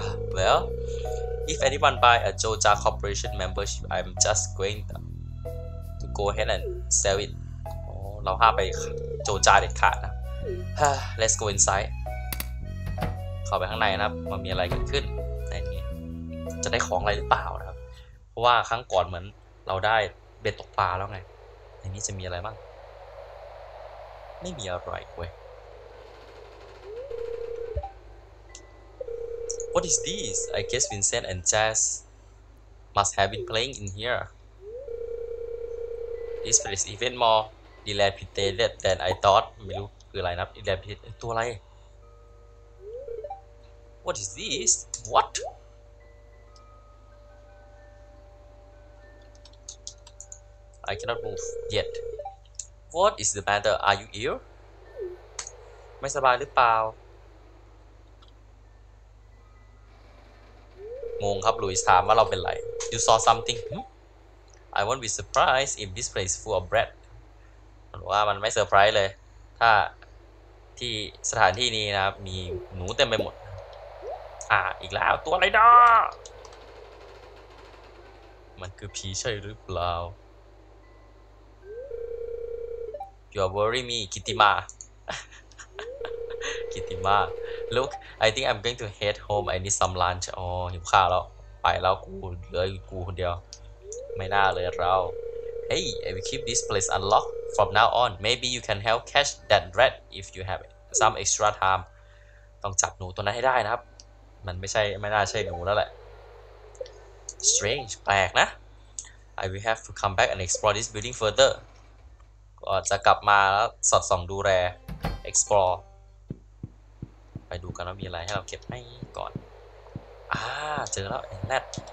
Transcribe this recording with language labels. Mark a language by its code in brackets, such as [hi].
[en] Well, if anyone buy a Joja Corporation membership, I'm just going to go ahead and sell it. [th] เราห้ามไปโจจาเด็ดขาดนะ [en] Let's go inside. [th] เข้าไปข้างในนะครับมันมีอะไรเกิดขึ้นในนี้จะได้ของอะไรหรือเปล่านะครับเพราะว่าครั้งก่อนเหมือนเราได้เบ็ดตกปลาแล้วไงในนี้จะมีอะไรบ้างไม่มีอะไรเว้ย [en] What is this? I guess Vincent and Jess must have been playing in here. This place is even more dilapidated than I thought. [th] ไม่รู้คืออะไรนะ dilapidated ตัวอะไร [en] What is this? What? I cannot move yet. What is the matter? Are you ill? [th] ไม่สบายหรือเปล่างงครับลุยส์ถามว่าเราเป็นไร [en] You saw something? I won't be surprised if this place is full of bread. [th] มันว่ามันไม่เซอร์ไพรส์เลยถ้าที่สถานที่นี้นะครับมีหนูเต็มไปหมดอีกแล้วตัวอะไรนะมันคือผีใช่หรือเปล่า [en] You are worrying me, Kitima. Kitima. Look, I think I'm going to head home. I need some lunch. [th] Oh, หิวข้าวแล้วไปแล้วกูเหลือกูคนเดียวไม่น่าเลยเรา [en] Hey, I will keep this place unlocked from now on. Maybe you can help catch that rat if you have some extra time. [th] ต้องจับหนูตัวนั้นให้ได้นะครับมันไม่ใช่ไม่น่าใช่หนูแล้วแหละ [en] Strange, [th] แปลกนะ [en] I will have to come back and explore this building further. [th] ก็จะกลับมาแล้วสอดส่องดูแล explore ไปดูกันว่ามีอะไรให้เราเก็บไหมก่อนเจอแล้วแรด